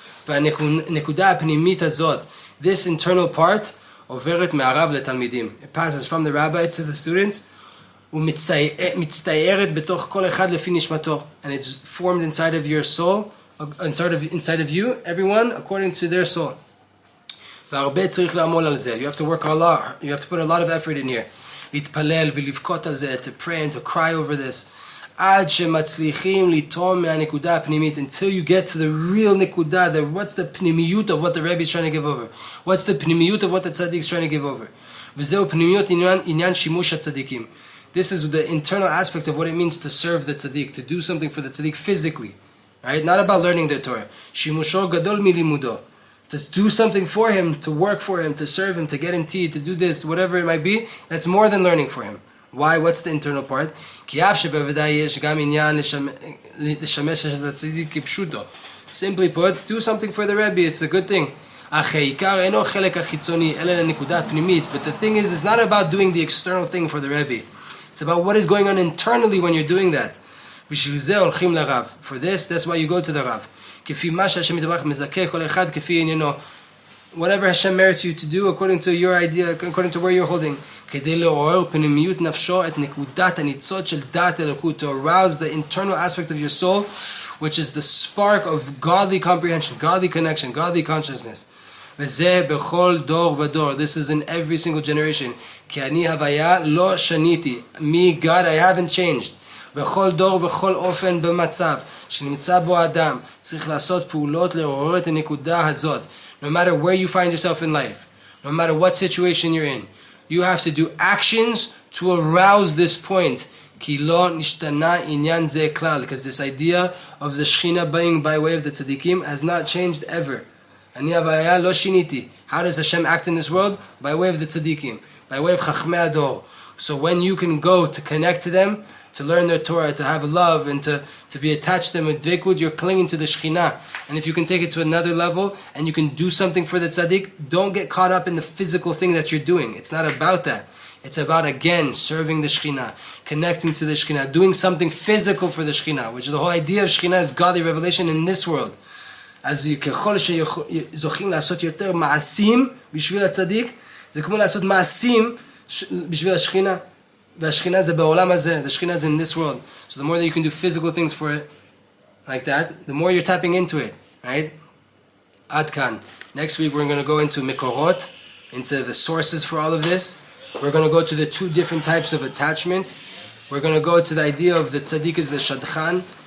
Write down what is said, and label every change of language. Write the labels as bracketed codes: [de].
[he] והנקודה הפנימית הזאת, [en] this internal part, [he] עוברת מהרב לתלמידים. [en] It passes from the rabbi to the students, [he] ומצטיירת בתוך כל אחד לפי נשמתו. [en] And it's formed inside of your soul, inside of you, everyone, according to their soul. [he] והרבה צריך לעמול על זה. [en] You have to work a lot. You have to put a lot of effort in here. [he] להתפלל ולבכות על זה, [en] to pray and to cry over this. [he] עד שמצליחים לטעום מהנקודה הפנימית, [en] until you get to the real נקודה, what's the פנימיות of what the Rebbe is trying to give over? What's the פנימיות of what the Tzaddik is trying to give over? [he] וזהו פנימיות עניין שימוש הצדיקים. [en] This is the internal aspect of what it means to serve the Tzaddik, to do something for the Tzaddik physically. Right? Not about learning the Torah. [he] שימושו גדול מלימודו. [en] To do something for him, to work for him, to serve him, to get him tea, to do this, whatever it might be, that's more than learning for him. Why? What's the internal part? [he] כי אף שבוודאי יש גם עניין לשמש את הצדיק כפשוטו. [en] Simply put, do something for the Rebbe, it's a good thing. [he] אך העיקר אינו חלק החיצוני, אלא לנקודה הפנימית. [en] But the thing is, it's not about doing the external thing for the Rebbe. It's about what is going on internally when you're doing that. [he] בשביל זה הולכים לרב. [en] For this, that's why you go to the Rav. [he] כפי מה שהשם יתברך מזכה כל אחד כפי עניינו. [en] Whatever Hashem merits you to do according to your idea, according to where you're holding. [he] כדי לעורר פנימיות נפשו את נקודת הניצות של דעת אלוקות, [en] to arouse the internal aspect of your soul, which is the spark of godly comprehension, godly connection, godly consciousness. [he] וזה בכל דור ודור. [en] This is in every single generation. [he] כי אני הוויה לא שניתי. [en] Me, God, I haven't changed. [he] בכל דור ובכל אופן במצב שנמצא בו אדם, צריך לעשות פעולות לעורר את הנקודה הזאת. [en] No matter where you find yourself in life, no matter what situation you're in, you have to do actions to arouse this point. [he] כי לא נשתנה עניין זה כלל. [en] Because this idea of the Shekhinah being by way of the Tzaddikim has not changed ever. [he] אני הבעיה לא שיניתי. [en] How does Hashem act in this world? By way of the Tzaddikim. By way of Chachmei Ador. So when you can go to connect to them, to learn their Torah, to have love, and to be attached to them with Dvekut, you're clinging to the Shekhinah. And if you can take it to another level, and you can do something for the Tzaddik, don't get caught up in the physical thing that you're doing. It's not about that. It's about, again, serving the Shekhinah, connecting to the Shekhinah, doing something physical for the Shekhinah, which the whole idea of Shekhinah is godly revelation in this world. [he] אז ככל שזוכים לעשות יותר מעשים בשביל הצדיק, זה כמו לעשות מעשים בשביל השכינה. והשכינה זה בעולם הזה, והשכינה זה [en] in this world. So the more that you can do physical things for it, like that, the more you're tapping into it, right? [he] עד כאן. [en] Next week we're going to go into מקורות, into the sources for all of this. We're going to go to the two different types of attachment. We're going to go to the idea of the tzaddik is the shadchan.